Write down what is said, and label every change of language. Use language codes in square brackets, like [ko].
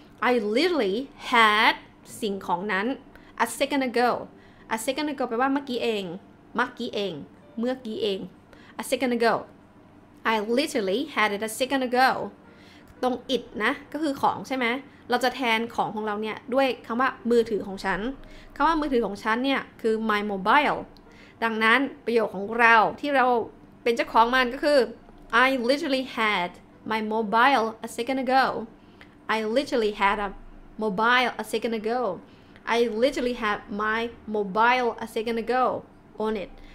[en] I literally had [th] สิ่งของนั้น [en] a second ago. A second ago [th] แปลว่าเมื่อกี้เองเมื่อกี้เองเมื่อกี้เอง [en] a second ago. I literally had it a second ago. [th] ตรง it นะก็คือของใช่ไหมเราจะแทนของเราเนี่ยด้วยคำว่ามือถือของฉันคำว่ามือถือของฉันเนี่ยคือ [en] my mobile. [th] ดังนั้นประโยคของเราที่เราเป็นเจ้าของมันก็คือ [en] I literally had my mobile a second ago. I literally had a mobile a second ago. I literally had my mobile a second ago on it.